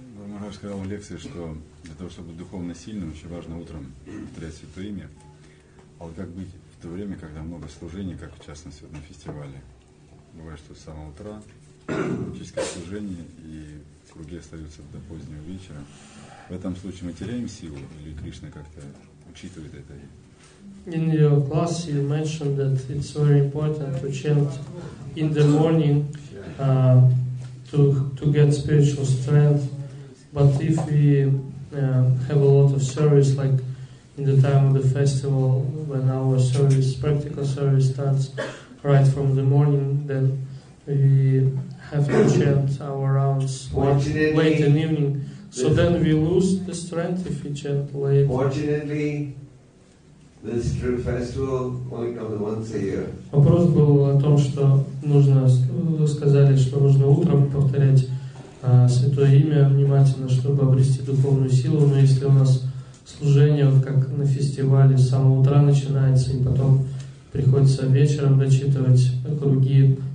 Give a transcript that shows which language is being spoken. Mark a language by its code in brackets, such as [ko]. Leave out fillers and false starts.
[ru] Махарадж сказал в лекции, что для того, чтобы быть духовно сильным, очень важно утром повторять святое имя. А вот как быть? В то время, когда много служений, как в частности на фестивале, бывает, что с самого утра практическое служение и круги остаются до позднего вечера. В этом случае мы теряем силу или Кришна как-то учитывает это? [en] In your class you mentioned that it's very important to chant in the morning to get spiritual strength. But if we have a lot of service like in the time of the festival, when our service, practical service, starts right from the morning, then we have to chant our rounds late in the evening. So then we lose the strength if we chant late. Fortunately, this true festival only comes once a year. [ru] Вопрос был о том, что нужно, сказали, что нужно утром повторять святое имя внимательно, чтобы обрести духовную силу. Но если у нас служение, вот как на фестивале, с самого утра начинается, и потом приходится вечером дочитывать круги.